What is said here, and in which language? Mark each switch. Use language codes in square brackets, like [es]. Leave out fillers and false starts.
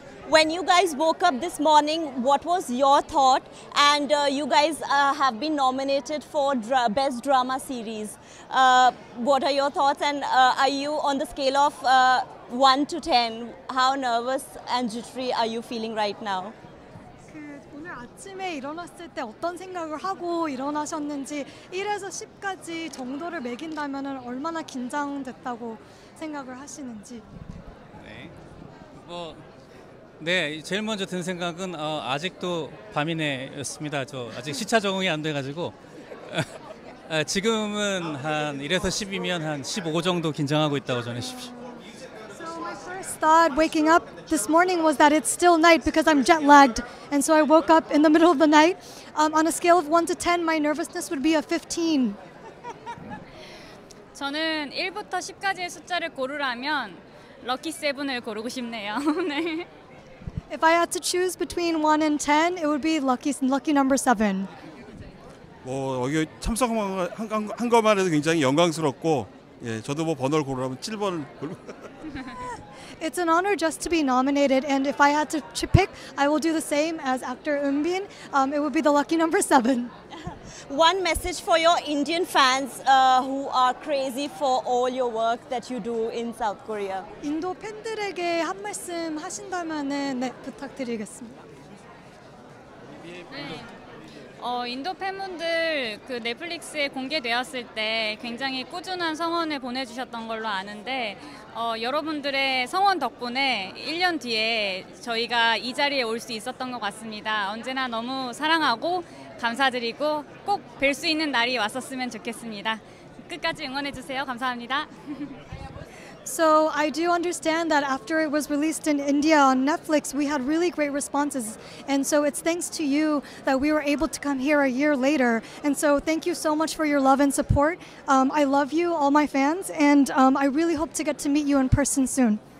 [en] When you guys woke up this morning, what was your thought? And you guys have been nominated for Best Drama Series. What are your thoughts? And are you on the scale of 1 to 10? How nervous and jittery are you feeling right now? [ko] 아침에 일어났을 때 어떤 생각을 하고 일어나셨는지 1에서 10까지 정도를 매긴다면 얼마나 긴장됐다고 생각을 하시는지 네, 네 제일 먼저 든 생각은 아직도 밤이네였습니다. 저 아직 시차 적응이 안 돼가지고 지금은 한 1에서 10이면 한 15 정도 긴장하고 있다고 전해십시오. [en] Thought waking up this morning was that it's still night because I'm jet lagged, and so I woke up in the middle of the night. On a scale of 1 to 10, my nervousness would be a 15. [ko] 저는 1부터 10까지의 숫자를 고르라면 럭키 7을 고르고 싶네요. 네. [en] If I had to choose between 1 and 10, it would be lucky number 7. [ko] 뭐 여기 참석한 것만 해도 굉장히 영광스럽고 예, 저도 뭐 번호를 고르라면 7번을 고르고 [en] It's an honor just to be nominated, and if I had to pick, I will do the same as actor Eun-bin. It would be the lucky number 7. One message for your Indian fans who are crazy for all your work that you do in South Korea. [ko] 인도 팬들에게 한 말씀 하신다면은 네, 부탁드리겠습니다. 인도 팬분들 그 넷플릭스에 공개되었을 때 굉장히 꾸준한 성원을 보내주셨던 걸로 아는데 여러분들의 성원 덕분에 1년 뒤에 저희가 이 자리에 올 수 있었던 것 같습니다. 언제나 너무 사랑하고 감사드리고 꼭 뵐 수 있는 날이 왔었으면 좋겠습니다. 끝까지 응원해 주세요. 감사합니다. [en] So I do understand that after it was released in India on Netflix, we had really great responses. And so it's thanks to you that we were able to come here a year later. And so thank you so much for your love and support. I love you, all my fans, and I really hope to get to meet you in person soon.